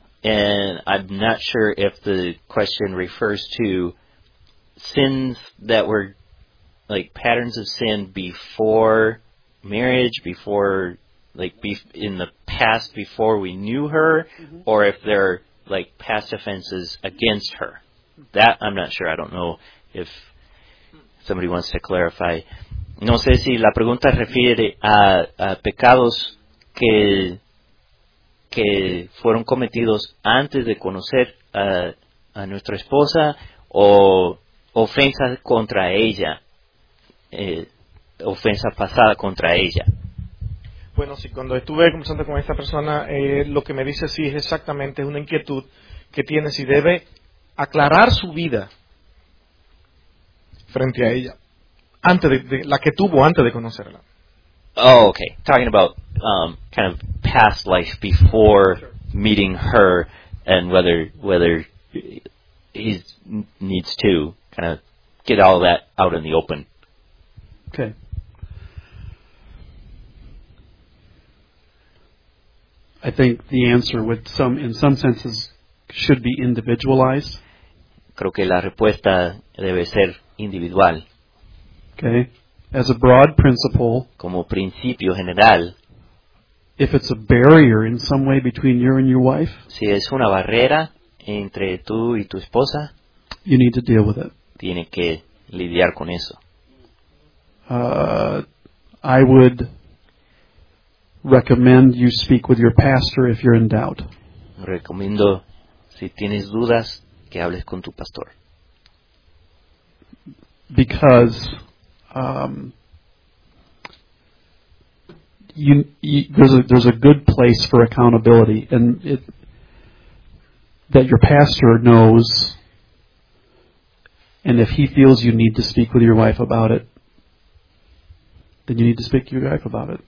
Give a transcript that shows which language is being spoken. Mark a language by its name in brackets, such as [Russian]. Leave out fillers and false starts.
[English] And I'm not sure if the question refers to sins that were, like, patterns of sin before marriage, before, like, in the past, before we knew her, mm-hmm. or if they're, like, past offenses against her. That, I'm not sure. I don't know if somebody wants to clarify. [Spanish] No sé si la pregunta refiere a pecados que fueron cometidos antes de conocer a nuestra esposa o ofensas contra ella, ofensa pasada contra ella. Bueno, sí, cuando estuve conversando con esta persona, lo que me dice sí es exactamente una inquietud que tiene si debe aclarar su vida frente a ella. La que tuvo antes de conocerla. [English] Oh, okay. Talking about kind of past life before sure. meeting her, and whether he needs to kind of get all that out in the open. Okay. I think the answer, in some senses, should be individualized. [Spanish] Creo que la respuesta debe ser individual. [English] Okay, as a broad principle, [Spanish] como principio general, [English] if it's a barrier in some way between you and your wife, [Spanish] si es una barrera entre tú y tu esposa, [English] you need to deal with it. [Spanish] Tiene que lidiar con eso. [English] I would recommend you speak with your pastor if you're in doubt. [Spanish] Recomiendo, si tienes dudas, que hables con tu pastor. [English] Because there's a good place for accountability, and it that your pastor knows, and if he feels you need to speak with your wife about it, then you need to speak to your wife about it.